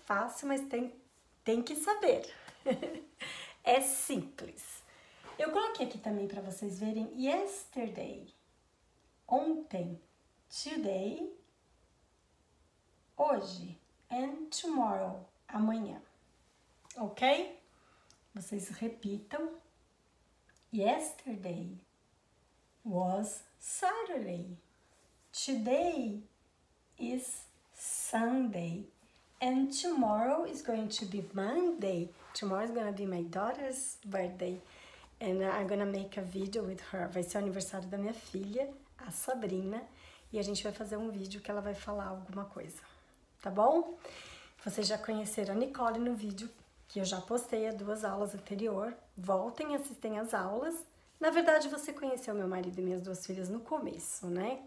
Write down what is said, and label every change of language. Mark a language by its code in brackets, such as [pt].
[pt] Fácil, mas tem que saber. É simples. Eu coloquei aqui também para vocês verem yesterday, ontem, today, hoje, [en] and tomorrow, [pt] amanhã. Ok? Vocês repitam. [en] Yesterday was Saturday. Today is Sunday. And tomorrow is going to be Monday. Tomorrow is going to be my daughter's birthday. And I'm going to make a video with her. [pt] Vai ser o aniversário da minha filha, a Sabrina. E a gente vai fazer um vídeo que ela vai falar alguma coisa. Tá bom? Vocês já conheceram a Nicole no vídeo que eu já postei há 2 aulas anterior. Voltem e assistem às aulas. Na verdade, você conheceu meu marido e minhas 2 filhas no começo, né?